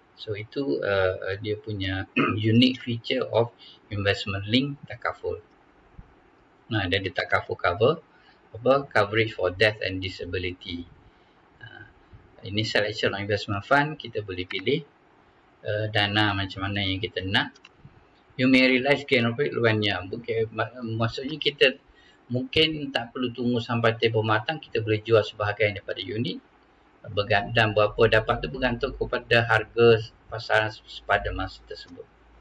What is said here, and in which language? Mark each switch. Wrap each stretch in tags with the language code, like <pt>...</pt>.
<ms>So itu dia punya</ms> <en>unique feature of investment link takaful.</en> <ms>Nah, dia ada takaful cover. Apa?</ms> <en>Coverage for death and disability.</en> <ms>Ini</ms> <en>selection of investment fund.</en> <ms>Kita boleh pilih dana macam mana yang kita nak.</ms> <en>You may realize gain or profit when you.</en> <ms>Maksudnya kita mungkin tak perlu tunggu sampai tempoh matang. Kita boleh jual sebahagian daripada unit. Dan berapa dapat tu bergantung kepada harga pasaran pada masa tersebut.</ms>